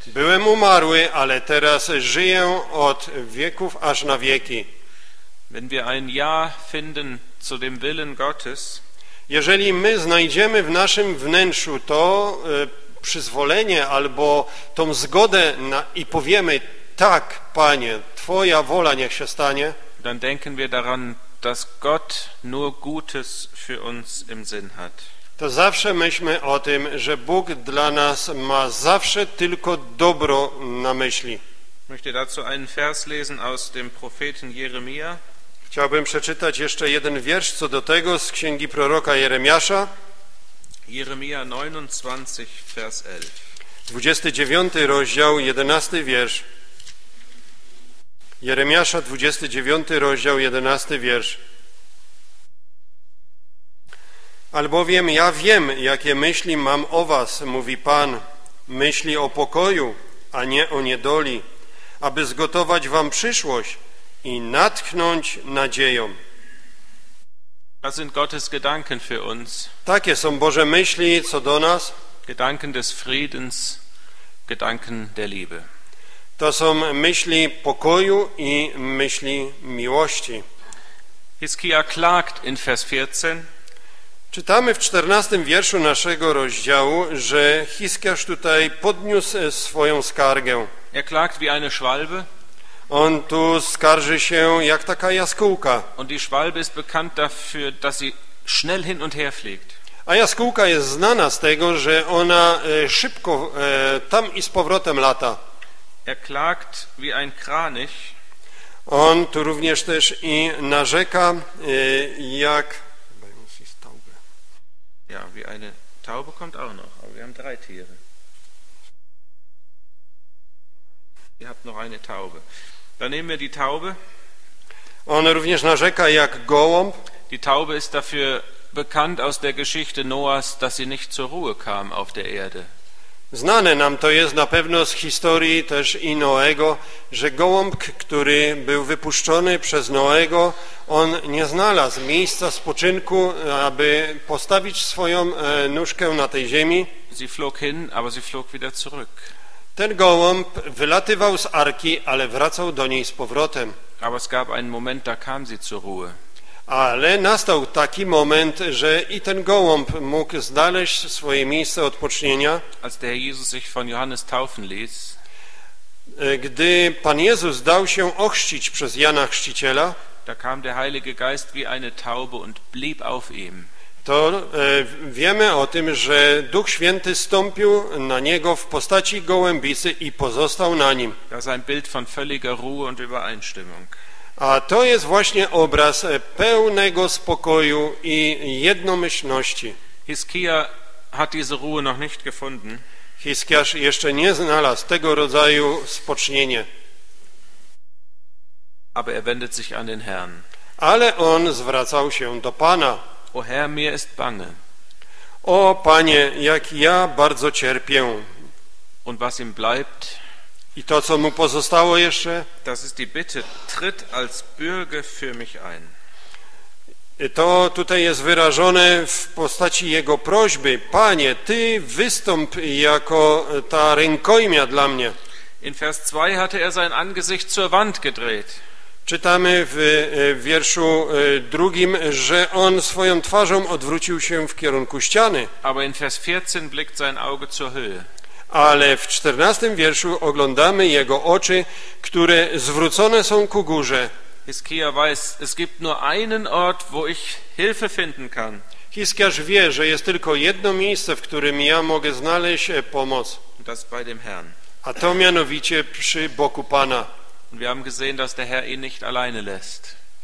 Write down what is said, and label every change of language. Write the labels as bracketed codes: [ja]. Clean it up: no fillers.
[pl] Byłem umarły, ale teraz żyję od wieków aż na wieki. [de] Wenn wir ein Ja finden zu dem Willen Gottes, [pl] jeżeli my znajdziemy w naszym wnętrzu to przyzwolenie albo tą zgodę na, i powiemy: Tak, Panie, Twoja wola niech się stanie, [de] dann denken wir daran, dass Gott nur Gutes für uns im Sinn hat. [pl] To zawsze myślmy o tym, że Bóg dla nas ma zawsze tylko dobro na myśli. [de] Ich möchte dazu einen Vers lesen aus dem Propheten Jeremia. [pl] Chciałbym przeczytać jeszcze jeden wiersz co do tego z księgi proroka Jeremiasza. [de] Jeremia 29, vers 11. [pl] 29 rozdział, 11 wiersz. Jeremiasza 29 rozdział, 11 wiersz. Albowiem ja wiem, jakie myśli mam o was, mówi Pan, myśli o pokoju, a nie o niedoli, aby zgotować wam przyszłość i natchnąć nadzieją. [de] Das sind Gottes Gedanken für uns. [pl] Takie są Boże myśli co do nas. [de] Gedanken des Friedens, Gedanken der Liebe. [pl] To są myśli pokoju i myśli miłości. [de] Hiskia klagt in Vers 14. [pl] Czytamy w 14 wierszu naszego rozdziału, że Hiskiasz tutaj podniósł swoją skargę. [de] Er klagt wie eine Schwalbe. [pl] On tu skarży się jak taka jaskółka. [de] Und die Schwalbe ist bekannt dafür, dass sie schnell hin und her fliegt. [pl] A jaskółka jest znana z tego, że ona szybko tam i z powrotem lata. [de] Er klagt wie ein Kranich. [pl] On tu również też i narzeka jak [de] Taube. Ja, wie eine Taube kommt auch noch, aber wir haben drei Tiere. Ihr habt noch eine Taube. Dann nehmen wir die Taube. [pl] On również narzeka jak gołąb. [de] Die Taube ist dafür bekannt aus der Geschichte Noas, dass sie nicht zur Ruhe kam auf der Erde. [pl] Znane nam to jest na pewno z historii też i Noego, że gołąb, który był wypuszczony przez Noego, on nie znalazł miejsca spoczynku, aby postawić swoją nóżkę na tej ziemi. [de] Sie flog hin, aber sie flog wieder zurück. [pl] Ten gołąb wylatywał z arki, ale wracał do niej z powrotem. [de] Aber es gab einen Moment, da kam sie zur Ruhe. [pl] Ale nastał taki moment, że i ten gołąb mógł znaleźć swoje miejsce odpocznienia. [de] Als der Jesus sich von Johannes taufen ließ, [pl] gdy Pan Jezus dał się ochrzcić przez Jana Chrzciciela, [de] da kam der Heilige Geist wie eine Taube und blieb auf ihm. [pl] To wiemy o tym, że Duch Święty stąpił na niego w postaci gołębicy i pozostał na nim. [de] Das ist ein Bild von völliger Ruhe und Übereinstimmung. [pl] A to jest właśnie obraz pełnego spokoju i jednomyślności. [de] Hiskia hat diese Ruhe noch nicht gefunden. [pl] Hiskiasz jeszcze nie znalazł tego rodzaju spocznienie. [de] Aber er wendet sich an den Herrn. [pl] Ale on zwracał się do Pana. [de] O Herr, mir ist bange. [pl] O Panie, jak ja bardzo cierpię. [de] Und was ihm bleibt? [pl] I to, co mu pozostało jeszcze? [de] Das ist die Bitte, tritt als Bürger für mich ein. [pl] To tutaj jest wyrażone w postaci jego prośby. Panie, ty wystąp jako ta rękojmia dla mnie. [de] In Vers 2 hatte er sein Angesicht zur Wand gedreht. [pl] Czytamy w wierszu drugim, że on swoją twarzą odwrócił się w kierunku ściany. [de] Aber in Vers 14 blickt sein Auge zur Höhe. [pl] Ale w 14 wierszu oglądamy jego oczy, które zwrócone są ku górze. [de] Hiskia weiß, es gibt nur einen Ort, wo ich Hilfe finden kann. [pl] Hiskiasz wie, że jest tylko jedno miejsce, w którym ja mogę znaleźć pomoc. [de] Das bei dem Herrn. [pl] A to mianowicie przy boku Pana. [de] Und wir haben gesehen, dass der Herr ihn nicht alleine lässt.